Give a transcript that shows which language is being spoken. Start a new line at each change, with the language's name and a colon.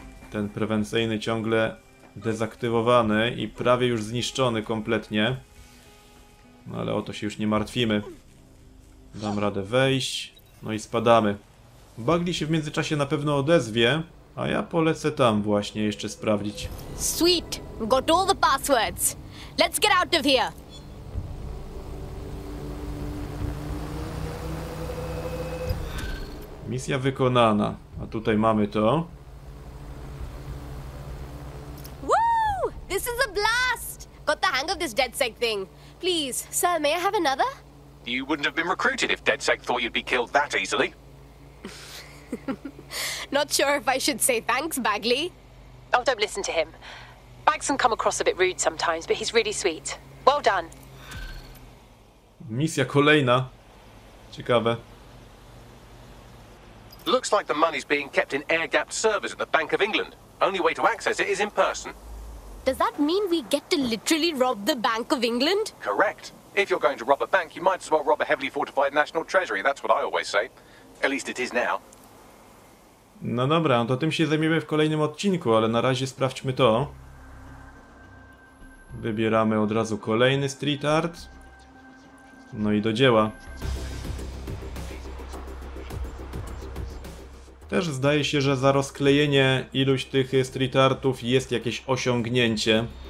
Polish: Ten prewencyjny ciągle dezaktywowany i prawie już zniszczony kompletnie. No ale o to się już nie martwimy. Dam radę wejść. No i spadamy. Bugli się w międzyczasie na pewno odezwie, a ja polecę tam właśnie jeszcze sprawdzić.
English: Sweet, got all the passwords. Let's get out of here.
Polish: Misja wykonana, a tutaj mamy to.
English: Woo! This is a blast. Got the hang of this DedSec thing. Please, sir, may I have another? You wouldn't have been recruited if DedSec thought you'd be killed that easily. Not sure if I should say thanks, Bagley. Oh, don't listen to him. Bags can come across a bit rude sometimes, but he's really sweet. Well done.
Polish: Misja kolejna. Ciekawe.
English: Looks like the money's being kept in air-gapped servers at the Bank of England. Only way to access it is in person. Does that mean we get to literally rob the Bank of England? Correct. If you're going to rob a bank, you might as well rob a heavily fortified national treasury. That's what I always say. At least it is now.
Polish: No dobra, to tym się zajmiemy w kolejnym odcinku, ale na razie sprawdźmy to. Wybieramy od razu kolejny street art. No i do dzieła. Też zdaje się, że za rozklejenie iluś tych street artów jest jakieś osiągnięcie.